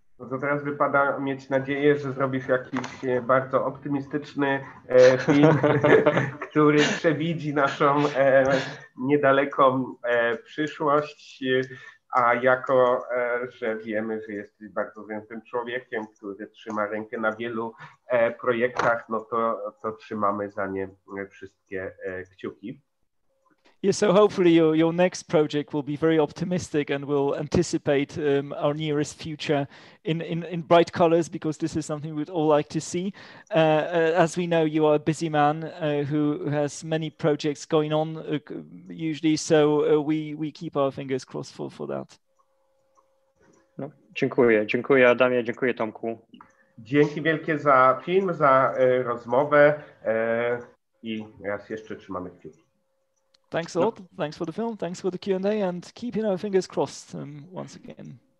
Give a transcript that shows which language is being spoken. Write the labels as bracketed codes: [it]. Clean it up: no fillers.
[pl] To teraz wypada mieć nadzieję, że zrobisz jakiś bardzo optymistyczny film, który przewidzi naszą niedaleką przyszłość. A jako, że wiemy, że jesteś bardzo więtym człowiekiem, który trzyma rękę na wielu projektach, no to trzymamy za nie wszystkie kciuki. [en] Yeah, so hopefully your next project will be very optimistic and will anticipate our nearest future in bright colors, because this is something we'd all like to see. As we know, you are a busy man who has many projects going on usually, so we keep our fingers crossed for that. [pl] No, dziękuję Adamie, dziękuję Tomku. Dzięki wielkie za film, za rozmowę i raz jeszcze trzymamy kciuki. [en] Thanks a lot. No. Thanks for the film. Thanks for the Q&A and keeping our fingers crossed once again.